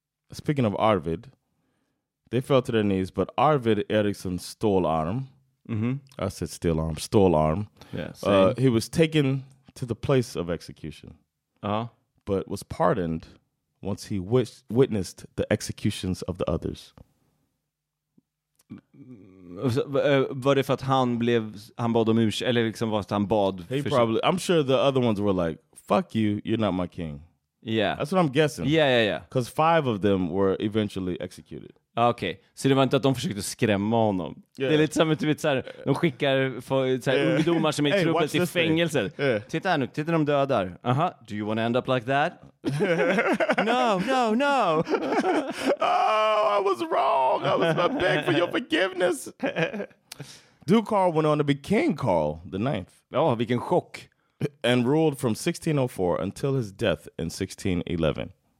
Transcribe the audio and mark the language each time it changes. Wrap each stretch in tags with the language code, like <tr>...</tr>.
<en>Speaking of Arvid. They fell to their knees, but Arvid Eriksson Stålarm, I said Stålarm, Stålarm. Yeah, he was taken to the place of execution, but was pardoned once he witnessed the executions of the others.</en> <sv>Var det för att han bad om ursäkt, eller liksom var det han bad?</sv> <en>I'm sure the other ones were like, fuck you, you're not my king. Yeah. That's what I'm guessing. Yeah. Because 5 of them were eventually executed.</en> <sv>Okej, okay. Så det var inte att de försökte skrämma honom. Yeah. Det är lite som att vet, så här, de skickar ungdomar som är i trubbel till fängelse.</sv> <en>Yeah.</en> <sv>Titta här nu, titta de dödar.</sv> <en>Aha, do you want to end up like that? No. Oh, I was wrong. I was not begging for your forgiveness. Duke Carl went on to be King Carl the Ninth.</en> <sv>Ja, vilken chock.</sv> <en>and ruled from 1604 until his death in 1611.</en>